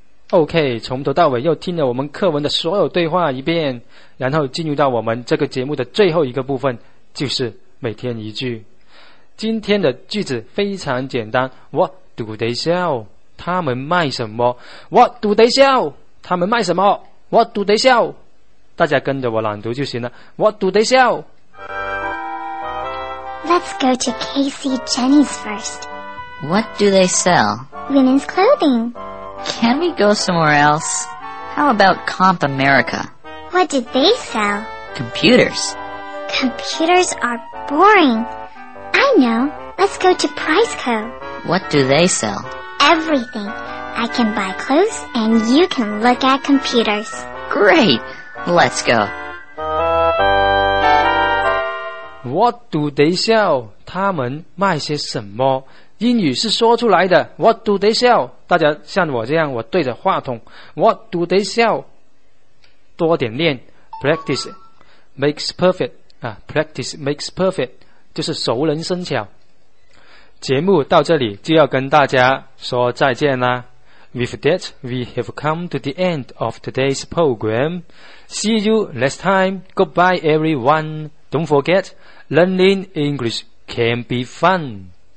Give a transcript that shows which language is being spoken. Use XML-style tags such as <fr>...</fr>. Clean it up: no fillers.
<zh>OK, 从头到尾又听了我们课文的所有对话一遍，然后进入到我们这个节目的最后一个部分，就是每天一句。今天的句子非常简单。</zh> <en>What do they sell?</en> <zh>他们卖什么</zh> <en>What do they sell?</en> <zh>他们卖什么 What do they sell? 大家跟着我朗读就行了</zh> <en>What do they sell? Let's go to Casey Jenny's first. What do they sell? Women's clothing. Can we go somewhere else? How about Comp America? What did they sell? Computers. Computers are boring. I know. Let's go to Price Co. What do they sell Everything. I can buy clothes and you can look at computers. Great. Let's go. What do they sell?</en> <zh>他们卖些什么？英语是说出来的。</zh> <en>What do they sell?</en> <zh>大家像我这样，我对着话筒。</zh> <en>What do they sell?</en> <zh>多点练 ，</zh> <en>practice. makes perfect</en> <zh>啊 ，</zh> <en>practice makes perfect</en> <zh>就是熟能生巧。节目到这里就要跟大家说再见啦。</zh> <en>With that, we have come to the end of today's program. See you next time. Goodbye, everyone. Don't forget, learning English can be fun.</en>